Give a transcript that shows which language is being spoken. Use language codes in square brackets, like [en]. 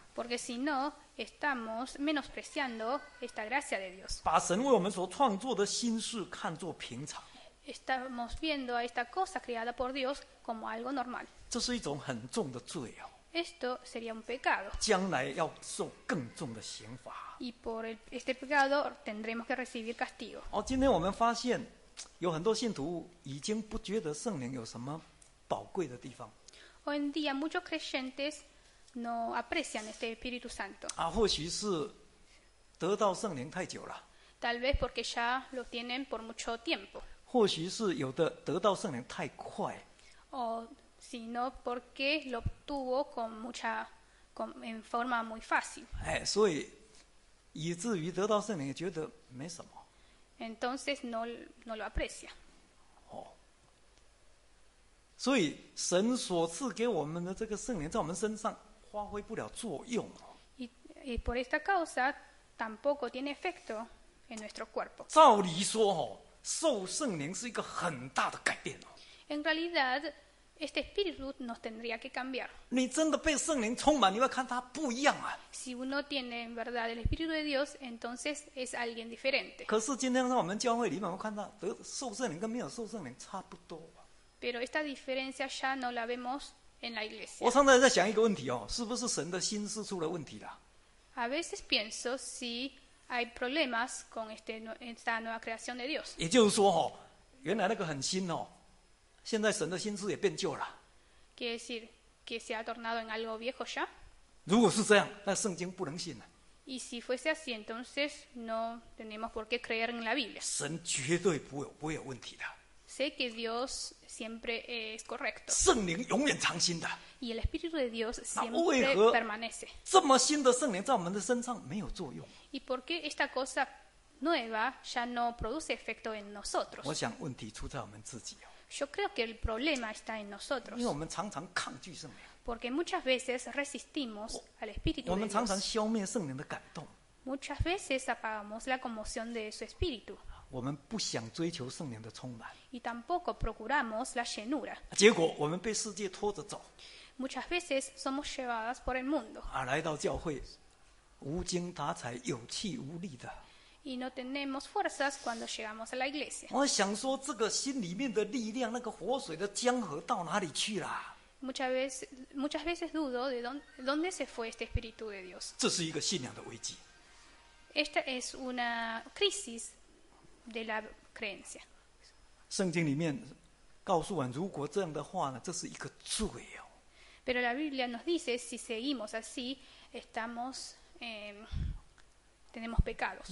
[es] Porque si no, estamos menospreciando esta gracia de Dios. [zh] 把神为我们所创作的新事看作平常。 [es] Estamos viendo a esta cosa creada por Dios como algo normal. [zh] 这是一种很重的罪哦。 [es] Esto sería un pecado. [zh] 将来要受更重的刑罚。 [es] Y por este pecado tendremos que recibir castigo. [zh] 哦，今天我们发现。有很多信徒已经不觉得圣灵有什么宝贵的地方。 [es] Hoy en día muchos creyentes no aprecian este Espíritu Santo. [zh] 啊，或许是得到圣灵太久了。 [es] Tal vez porque ya lo tienen por mucho tiempo. [zh] 或许是有的得到圣灵太快。 [es] O sino porque lo obtuvo con mucha, con, en forma muy fácil. [zh] 哎，所以以至于得到圣灵觉得没什么。 [es] Entonces no, no lo aprecia. [zh] 哦，所以神所赐给我们的这个圣灵在我们身上发挥不了作用。 [es] Y por esta causa tampoco tiene efecto en nuestro cuerpo. [zh] 照理说哦，受圣灵是一个很大的改变哦。 [es] En realidad, este espíritu nos tendría que cambiar. [zh] 你真的被圣灵充满，你会看他不一样啊。 [es] Si uno tiene en verdad el espíritu de Dios, entonces es alguien diferente. [zh] 可是今天在我们教会里面，我们看到受圣灵跟没有受圣灵差不多。 [es] Pero esta diferencia ya no la vemos en la iglesia. [zh] 我常常在想一个问题哦，是不是神的心思出了问题了？ [es] A veces pienso si hay problemas con este, esta nueva creación de Dios. [zh] 也就是说、哦、原来那个很新、哦、现在神的心思也变旧了。 [es] Quiere decir que se ha tornado en algo viejo ya? [zh] 如果是这样，那圣经不能信了。 [es] Y si fuese así, entonces no tenemos por qué creer en la Biblia. [zh] 神绝对不会有问题的。 [es] Sé que Dios siempre es correcto. [zh] 圣灵永远常新的。 [es] Y el Espíritu de Dios siempre permanece. [zh] 这么新的圣灵在我们的身上没有作用。 [es] ¿Y por qué esta cosa nueva ya no produce efecto en nosotros? [zh] 我想问题出在我们自己。 [es] Yo creo que el problema está en nosotros. [zh] 因为我们常常抗拒圣灵。 [es] Porque muchas veces resistimos al Espíritu de Dios. [zh] 我们常常消灭圣灵的感动。 [es] Muchas veces apagamos la conmoción de su Espíritu. [zh] 我们不想追求圣灵的充满。 [es] Y tampoco procuramos la llenura. [zh] 结果我们被世界拖着走。 [es] Muchas veces somos llevadas por el mundo. [zh] 而来到教会，无精打采，有气无力的。 [es] Y no tenemos fuerzas cuando llegamos a la iglesia. [zh] 我想说，这个心里面的力量，那个活水的江河到哪里去了？ [es] Muchas veces dudo de dónde se fue este espíritu de Dios. [zh] 这是一个信仰的危机。 [es] Esta es una crisis. De la creencia. [zh] 圣经里面告诉我们，如果这样的话呢，这是一个罪哦。 [es] Pero la Biblia nos dice si seguimos así, estamos, tenemos pecados.